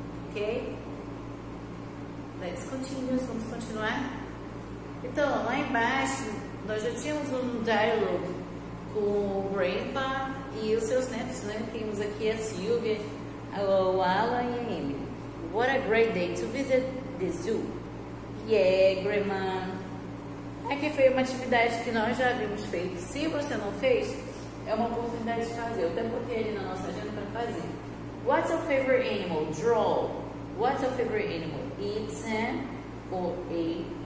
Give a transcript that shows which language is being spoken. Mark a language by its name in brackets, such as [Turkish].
[English] Ok? Let's continue, [Portuguese] vamos continuar. Então, lá embaixo, nós já tínhamos um diálogo com o Grandpa e os seus netos, né? Temos aqui a Silvia, a Lala e a Amy. [English] What a great day to visit the zoo. Yeah, Grandma. [Portuguese] Aqui foi uma atividade que nós já havíamos feito. Se você não fez, é uma oportunidade de fazer. Eu até botei ali na nossa agenda para fazer. [English] What's your favorite animal? Draw. What's your favorite animal? It's an or a.